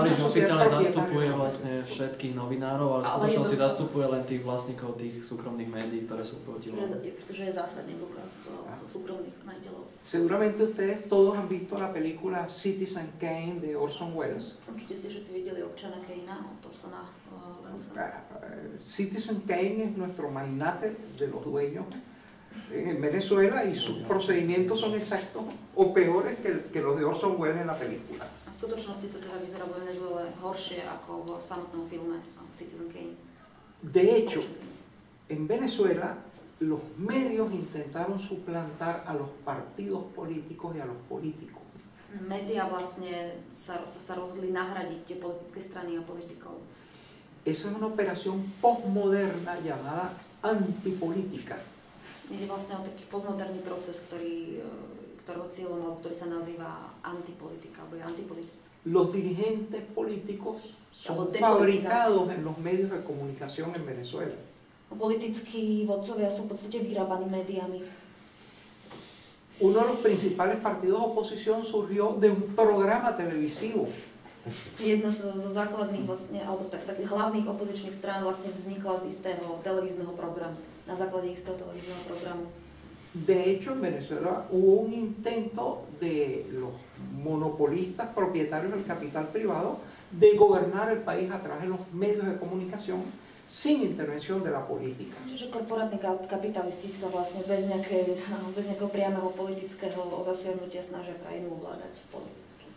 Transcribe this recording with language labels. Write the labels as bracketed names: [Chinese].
[Slovak] sa oficiálne zastupuje vlastne všetkých novinárov, ale skutočne si zastupuje len tých vlastníkov tých súkromných médií, ktoré sú proti lomu. Pretože je zásadný v rukách súkromných majiteľov. [Spanish] Seguramente ustedes todos han visto la película Citizen Kane de Orson Welles. [Slovak] Určite ste všetci videli Občana Kane'a od Orsona Wellesa. [Spanish] Citizen Kane es nuestro magnate de los dueños en Venezuela y sus procedimientos son exactos o peores que los de Orson Welles en la película. [Slovak] A skutočnosti to teda vyzerá vo Venezuele horšie ako v samotnom filme Citizen Kane. [Spanish] De hecho, en Venezuela los medios intentaron suplantar a los partidos políticos y a los políticos. [Slovak] Media vlastne sa rozhodli nahradiť tie politické strany a politikov. [Spanish] Esa es una operación postmoderna llamada antipolítica. [Slovak] Ide vlastne o taký postmoderný proces, ktorého cieľom, alebo ktorý sa nazýva antipolitika, alebo je antipolitický. [Spanish] Los dirigentes políticos son fabricados en los medios de comunicación en Venezuela. [Slovak] Politickí vodcovia sú v podstate vyrábaní médiami. [Spanish] Uno de los principales partidos oposición surgió de un programa televisivo. [Slovak] Jedna zo základných vlastne, alebo tak sa hlavných opozičných strán vlastne vznikla z istého televízneho programu. Na základe istého televízneho programu. [Spanish] De hecho, en Venezuela hubo un intento de los monopolistas propietarios del capital privado de gobernar el país a través de los medios de comunicación sin intervención de la política. [Slovak] Čiže korporátni kapitalisti sa vlastne bez nejakého priamého politického zasiahnutia snažia krajinu ovládať politicky.